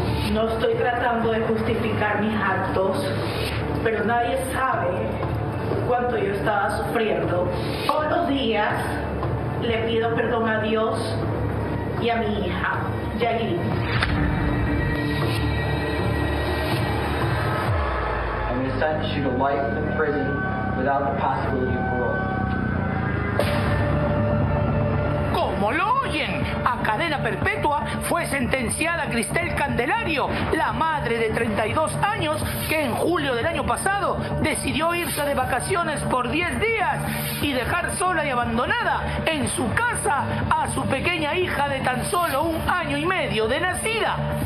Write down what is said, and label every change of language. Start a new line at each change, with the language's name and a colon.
Spanish: No estoy tratando de justificar mis actos, pero nadie sabe cuánto yo estaba sufriendo. Todos los días le pido perdón a Dios y a mi hija, Yailin.
English: I'm going to sentence you to life in prison without the possibility of parole.
Spanish: ¿Cómo lo oyen? A cadena perpetua fue sentenciada Cristel Candelario, la madre de 32 años que en julio del año pasado decidió irse de vacaciones por 10 días y dejar sola y abandonada en su casa a su pequeña hija de tan solo un año y medio de nacida.